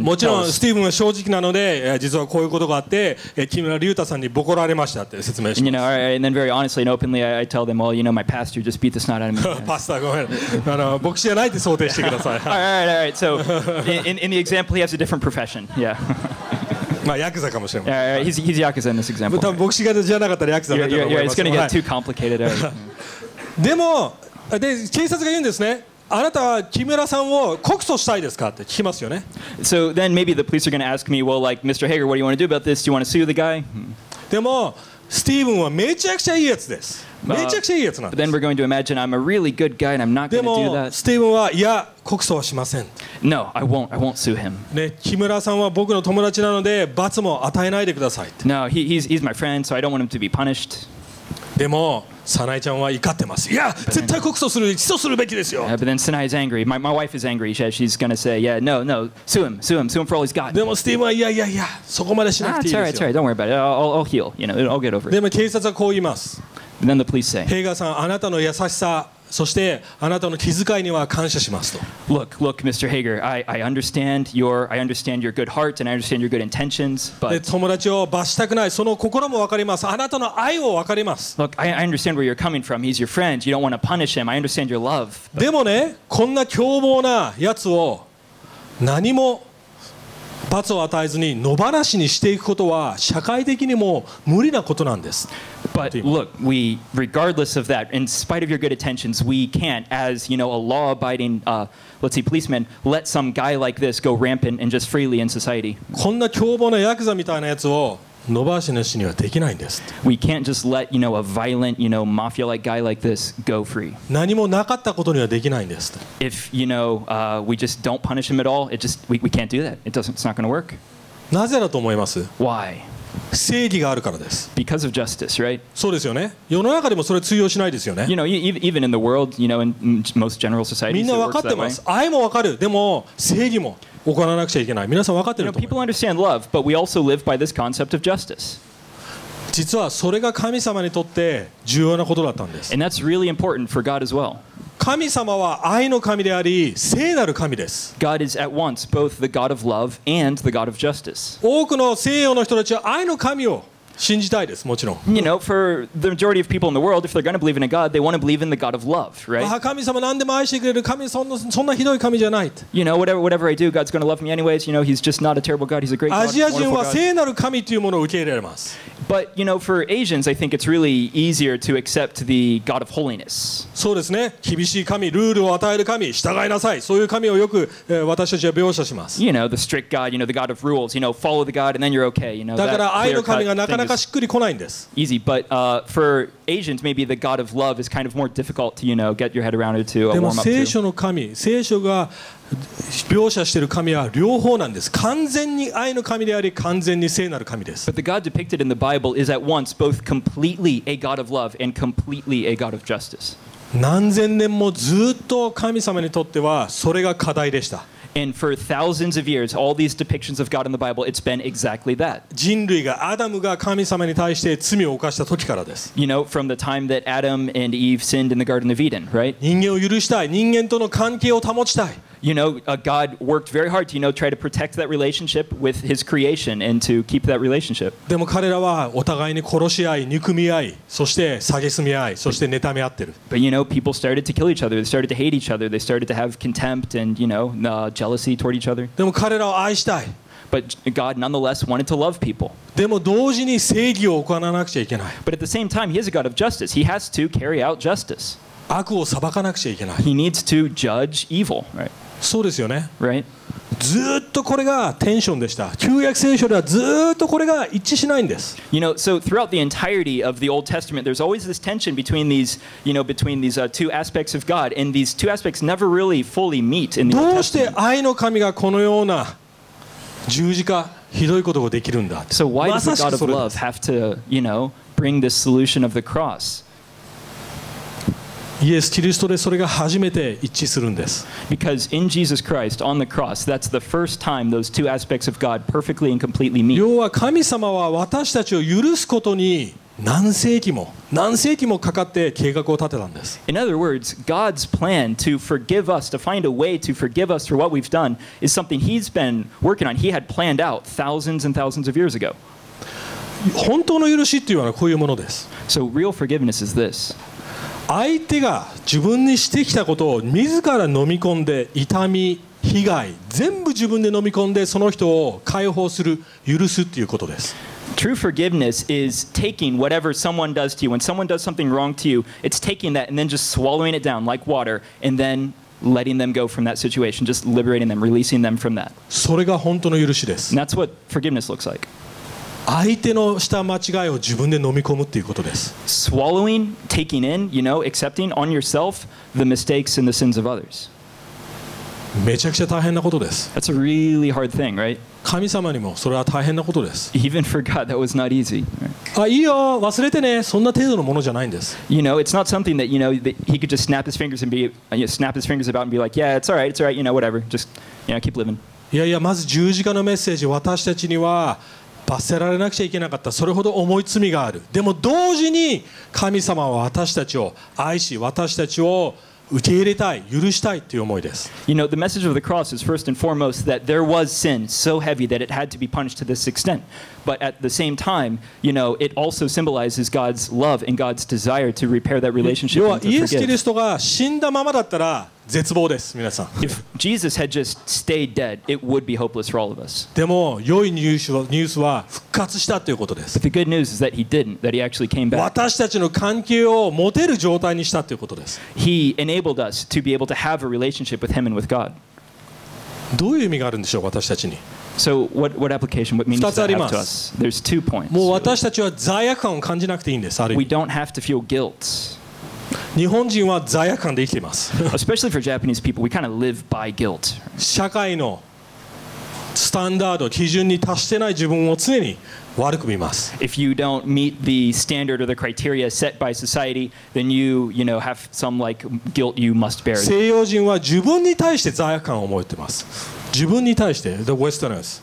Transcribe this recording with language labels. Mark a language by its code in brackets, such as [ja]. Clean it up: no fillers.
[ja] もちろんスティーブンは正直なので、実はこういうことがあって、木村龍太さんにボコられましたって説明します。 [en] And, you know, and then very honestly and openly, I tell them, well, you know, my pastor just beat the snot out of me. [ja] パスターごめん。あの、牧師じゃないって想定してください。 [en] All right. So, in the example, he has a different profession. Yeah. [ja] まあヤクザかもしれません。 [en] He's Yakuza in this example. [ja] 多分牧師がじゃなかったらヤクザだと思います。 [en] Yeah, it's going to get too complicated. [ja] でも、で、警察が言うんですね。あなたは木村さんを告訴したいですかって聞きますよね。 [en] So then maybe the police are going to ask me, well, like, Mr. Hager, what do you want to do about this? Do you want to sue the guy? [ja] でも、スティーブンはめちゃくちゃいいやつです。めちゃくちゃいいやつなんです。 [en] But then we're going to imagine I'm a really good guy and I'm not going to do that. [ja] でもスティーブンはいや告訴はしません。 [en] No, I won't sue him. [ja] ね、木村さんは僕の友達なので罰も与えないでください。 [en] No, he's my friend, so I don't want him to be punished. [ja] でもサナイちゃんは怒ってます。いや、絶対告訴する、起訴するべきですよ。 [en] But then Sanae is angry. My wife is angry. She's gonna say, yeah, no, sue him for all he's got. [ja] でもスティーブはいや、そこまでしなくていいですよ。 [en] Sorry, don't worry about it. I'll heal. You know, I'll get over it. [ja] でも警察はこう言います。 [en] But then the police say, [ja] ヘイガーさん、あなたの優しさ、そしてあなたの気遣いには感謝しますと。 [en] Look, Mr. Hager, I understand your good heart and I understand your good intentions, but [ja] 友達を罰したくない、その心もわかります。あなたの愛をわかります。 [en] Look, I understand where you're coming from. He's your friend. You don't want to punish him. I understand your love. [ja] でもね、こんな凶暴なやつを何も罰を与えずに野放しにしていくことは社会的にも無理なことなんです。 [en] But look, we, regardless of that, in spite of your good intentions, we can't, as you know, a law-abiding, policeman, let some guy like this go rampant and just freely in society. [ja] こんな凶暴なヤクザみたいなやつを野放しにしにはできないんです。 [en] We can't just let, you know, a violent, you know, mafia-like guy like this go free. [ja] 何もなかったことにはできないんです。 [en] If, you know, we just don't punish him at all, it just, we can't do that. It's not going to work. [ja] なぜだと思います? [en] Why? [ja] 正義があるからです。 [en] Because of justice, right? [ja] そうですよね。世の中でもそれ通用しないですよね。 [en] You know, even in the world, you know, in most general societies, [ja] みんな分かってます。愛もわかる。でも正義も行わなくちゃいけない。皆さん分かってると思う。 [en] People understand love, but we also live by this concept of justice. [ja] 実はそれが神様にとって重要なことだったんです。 [en] And that's really important for God as well. [ja] 神様は愛の神であり聖なる神です。 [en] God is at once both the God of love and the God of justice. [ja] 多くの西洋の人たちは愛の神を信じたいです、もちろん。 [en] You know, for the majority of people in the world, if they're going to believe in a God, they want to believe in the God of love, right? [ja] 神様何でも愛してくれる神、そんなひどい神じゃない。 [en] You know, whatever I do, God's going to love me anyways. You know, he's just not a terrible God. He's a great God. [ja] アジア人は聖なる神というものを受け入れられます。 [en] But, you know, for Asians, I think it's really easier to accept the God of holiness. [ja] そうですね。厳しい神、ルールを与える神、従いなさい。そういう神をよく、私たちは描写します。 [en] You know, the strict God, you know, the God of rules, you know, follow the God and then you're okay. You know, [ja] だから愛の神がなかなかしっくりこないんです。 [en] Easy, but for Asians, maybe the God of love is kind of more difficult to, you know, get your head around or to warm up to. [ja] でも聖書の神、聖書が描写している神は両方なんです。完全に愛の神であり、完全に聖なる神です。 [en] But the God depicted in the Bible is at once both completely a God of love and completely a God of justice. [ja] 何千年もずっと神様にとってはそれが課題でした。 [en] And for thousands of years, all these depictions of God in the Bible, it's been exactly that. [ja] 人類が、アダムが神様に対して罪を犯した時からです。 [en] You know, from the time that Adam and Eve sinned in the Garden of Eden, right? [ja] 人間を許したい、人間との関係を保ちたい。 [en] You know, God worked very hard to, you know, try to protect that relationship with his creation and to keep that relationship. [ja] でも彼らはお互いに殺し合い、憎み合い、そして蔑み合い、そして妬み合ってる。 [en] But you know, people started to kill each other. They started to hate each other. They started to have contempt and, you know, jealousy toward each other. [ja] でも彼らを愛したい。 [en] But God nonetheless wanted to love people. [ja] でも同時に正義を行わなくちゃいけない。 [en] But at the same time, he is a God of justice. He has to carry out justice. [ja] 悪を裁かなくちゃいけない。 [en] He needs to judge evil, right? [ja] そうですよね。 [en] Right? [ja] ずっとこれがテンションでした。旧約聖書ではずっとこれが一致しないんです。 [en] You know, so throughout the entirety of the Old Testament, there's always this tension between these, you know, between these two aspects of God, and these two aspects never really fully meet in the Old Testament. [ja] どうして愛の神がこのような十字架、ひどいことができるんだ。 [en] So why does the God of love have to, you know, bring this solution of the cross? [ja] イエス・キリストでそれが初めて一致するんです。 [en] Because in Jesus Christ, on the cross, that's the first time those two aspects of God perfectly and completely meet. [ja] 要は神様は私たちを許すことに何世紀もかかって計画を立てたんです。 [en] In other words, God's plan to forgive us, to find a way to forgive us for what we've done, is something he's been working on. He had planned out thousands and thousands of years ago. [ja] 本当の許しっていうのはこういうものです。 [en] So real forgiveness is this. [ja] 相手が自分にしてきたことを自ら飲み込んで痛み被害全部自分で飲み込んでその人を解放する許すっていうことです。 [en] True forgiveness is taking whatever someone does to you. When someone does something wrong to you, it's taking that and then just swallowing it down like water and then letting them go from that situation, just liberating them, releasing them from that. [ja] それが本当の許しです。 [en] And that's what forgiveness looks like. [ja] 相手のした間違いを自分で飲み込むっていうことです。 [en] Swallowing, taking in, you know, accepting on yourself the mistakes and the sins of others. [ja] めちゃくちゃ大変なことです。 [en] That's a really hard thing, right? [ja] 神様にもそれは大変なことです。 [en] Even for God, that was not easy. [ja] あ、いいよ、忘れてね。そんな程度のものじゃないんです。 [en] You know, it's not something that, you know, that he could just snap his fingers and be, you know, snap his fingers about and be like, yeah, it's alright, you know, whatever. Just, you know, keep living. [ja] いやいや、まず十字架のメッセージ、私たちには罰せられなくちゃいけなかった。それほど重い罪がある。でも同時に神様は私たちを愛し、私たちを受け入れたい、許したいという思いです。 [en] You know, the message of the cross is first and foremost that there was sin so heavy that it had to be punished to this extent. But at the same time, you know, it also symbolizes God's love and God's desire to repair that relationship and to forgive. [ja] 要はイエス・キリストが死んだままだったら絶望です、皆さん。 [en] If Jesus had just stayed dead, it would be hopeless for all of us. [ja] でも良いニュースは復活したということです。 [en] But the good news is that he didn't, that he actually came back. [ja] 私たちの関係を持てる状態にしたということです。 [en] He enabled us to be able to have a relationship with him and with God. [ja] どういう意味があるんでしょう、私たちに。 [en] So what application, what meaning does that have to us? There's two points. [ja] もう私たちは罪悪感を感じなくていいんです、ある意味。 [en] We don't have to feel guilt. [ja] 日本人は罪悪感で生きています。 [en] Especially for Japanese people, we kind of live by guilt. [ja] 社会のスタンダード、基準に達してない自分を常に悪く見ます。 [en] If you don't meet the standard or the criteria set by society, then you know, have some like guilt you must bear. [ja] 西洋人は自分に対して罪悪感を持ってます。自分に対して、 [en] the Westerners.